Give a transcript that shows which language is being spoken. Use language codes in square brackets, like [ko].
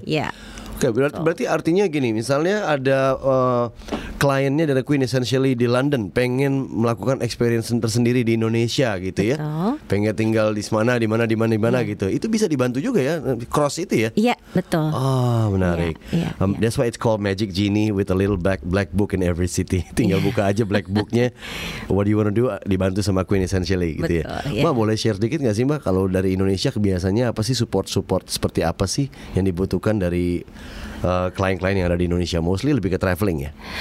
[id] Iya. Oke, okay, berarti artinya gini, misalnya ada kliennya dari Queen Essentially di London pengen melakukan experience tersendiri di Indonesia gitu. Ya. Pengen tinggal di mana, di mana, di mana, di mana gitu. Itu bisa dibantu juga ya, cross itu ya. Iya, betul. Oh, menarik. Yeah, yeah, yeah. [en] That's why it's called Magic Genie with a little black book in every city. [id] Tinggal buka aja black book-nya. [en] What do you wanna do? [id] Dibantu sama [en] Queen Essentially gitu. [id] Betul, ya. Yeah. Mbak, boleh share dikit enggak sih Mbak, kalau dari Indonesia kebiasaannya apa sih support-support seperti apa sih yang dibutuhkan dari klien-klien yang ada di Indonesia, [en] mostly [id] lebih ke traveling ya?